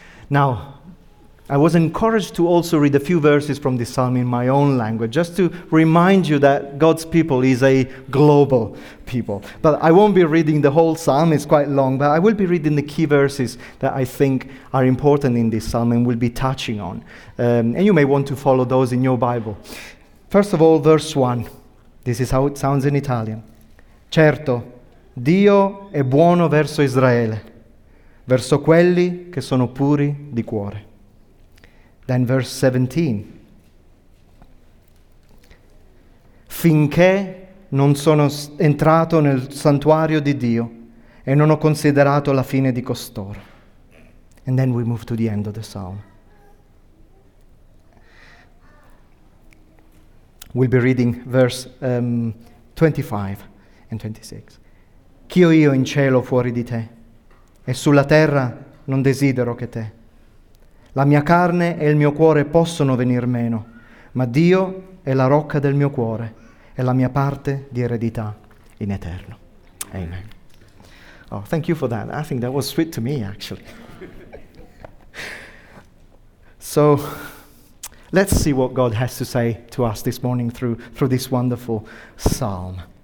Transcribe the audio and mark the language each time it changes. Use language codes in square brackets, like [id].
[en] Now, I was encouraged to also read a few verses from this psalm in my own language, just to remind you that God's people is a global people. But I won't be reading the whole psalm, it's quite long, but I will be reading the key verses that I think are important in this psalm and will be touching on. And you may want to follow those in your Bible. First of all, verse 1. This is how it sounds in Italian. [it] Certo, Dio è buono verso Israele, verso quelli che sono puri di cuore. [en] Then verse 17. [it] Finché non sono entrato nel santuario di Dio e non ho considerato la fine di costoro. [en] And then we move to the end of the psalm. We'll be reading verse 25 and 26. [it] Chi ho io in cielo fuori di te? E sulla terra non desidero che te. La mia carne e il mio cuore possono venir meno, ma Dio è la rocca del mio cuore e la mia parte di eredità in eterno. [en] Amen. Oh, thank you for that. I think that was sweet to me, actually. So, let's see what God has to say to us this morning through this wonderful psalm.